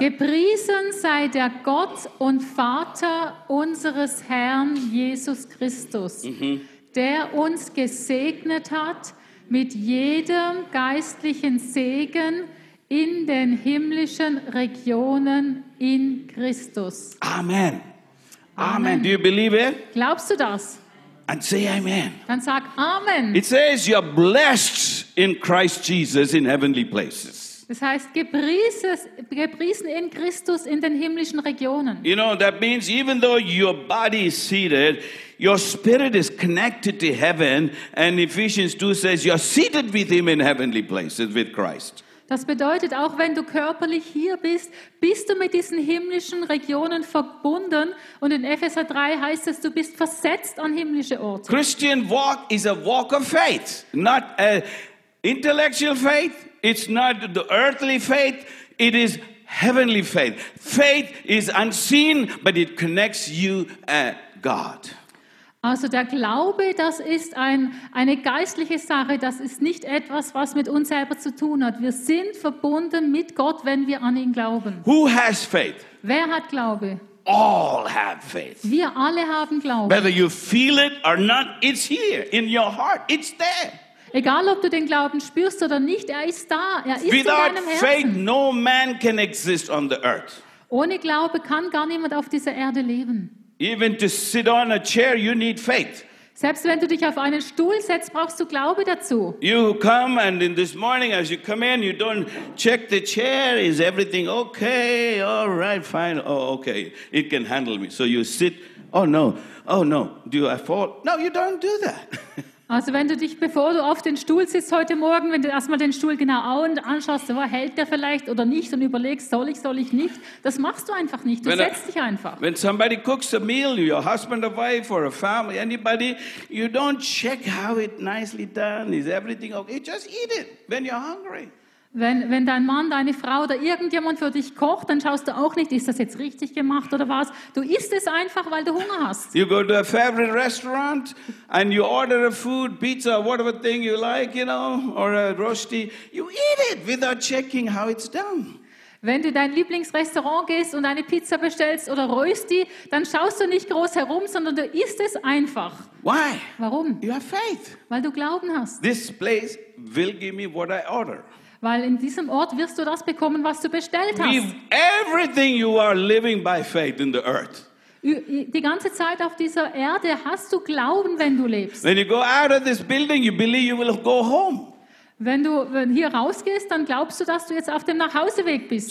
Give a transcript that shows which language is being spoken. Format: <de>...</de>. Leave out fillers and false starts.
<de>Gepriesen sei der Gott und Vater unseres Herrn Jesus Christus, der uns gesegnet hat mit jedem geistlichen Segen in den himmlischen Regionen in Christus.</de> <en>Amen. Amen. Amen. Do you believe it?</en> <de>Glaubst du das?</de> <en>And say amen.</en> <de>Dann sag amen.</de> <en>It says you're blessed in Christ Jesus in heavenly places.</en> <de>Das heißt, gepriesen in Christus in den himmlischen Regionen.</de> <en>You know, that means even though your body is seated, your spirit is connected to heaven. And Ephesians 2 says you're seated with him in heavenly places with Christ.</en> <de>Das bedeutet, auch wenn du körperlich hier bist, bist du mit diesen himmlischen Regionen verbunden. Und in Epheser 3 heißt es, du bist versetzt an himmlische Orte.</de> <en>Christian walk is a walk of faith, not a intellectual faith. It's not the earthly faith. It is heavenly faith. Faith is unseen, but it connects you and God.</en> <de>Also der Glaube, das ist eine geistliche Sache, das ist nicht etwas, was mit uns selber zu tun hat. Wir sind verbunden mit Gott, wenn wir an ihn glauben.</de> <en>Who has faith?</en> <de>Wer hat Glaube?</de> <en>All have faith.</en> <de>Wir alle haben Glaube.</de> <en>Whether you feel it or not, it's here in your heart. It's there.</en> <de>Egal, ob du den Glauben spürst oder nicht, er ist da. Er ist</de> <en>Without</en> <de>in deinem Herzen.</de> <en>Without faith, no man can exist on the earth.</en> <de>Ohne Glaube kann gar niemand auf dieser Erde leben.</de> <en>Even to sit on a chair, you need faith.</en> <de>Selbst wenn du dich auf einen Stuhl setzt, brauchst du Glaube dazu.</de> <en>You come and in this morning, as you come in, you don't check the chair. Is everything okay? All right, fine. Oh, okay. It can handle me. So you sit. Oh, no. Oh, no. Do I fall? No, you don't do that.</en> <de>Also wenn du dich, bevor du auf den Stuhl sitzt heute Morgen, wenn du erstmal den Stuhl genau anschaust, wo hält der vielleicht oder nicht und überlegst, soll ich nicht, das machst du einfach nicht, setzt dich einfach.</de> <en>When somebody cooks a meal, your husband or wife or a family, anybody, you don't check how it nicely done, is everything okay, just eat it when you're hungry.</en> <de>Wenn dein Mann, deine Frau oder irgendjemand für dich kocht, dann schaust du auch nicht, ist das jetzt richtig gemacht oder was. Du isst es einfach, weil du Hunger hast.</de> <en>You go to a favorite restaurant and you order a food, pizza, whatever thing you like, you know, or a rösti. You eat it without checking how it's done.</en> <de>Wenn du dein Lieblingsrestaurant gehst und eine Pizza bestellst oder rösti, dann schaust du nicht groß herum, sondern du isst es einfach.</de> <en>Why?</en> <de>Warum?</de> <en>You have faith.</en> <de>Weil du Glauben hast.</de> <en>This place will give me what I order.</en> <de>Weil in diesem Ort wirst du das bekommen, was du bestellt hast.</de> <en>Everything you are living by faith in the earth.</en> <de>Die ganze Zeit auf dieser Erde hast du Glauben, wenn du lebst.</de> <en>When you go out of this building, you believe you will go home.</en> <de>Wenn hier rausgehst, dann glaubst du, dass du jetzt auf dem Nachhauseweg bist.</de>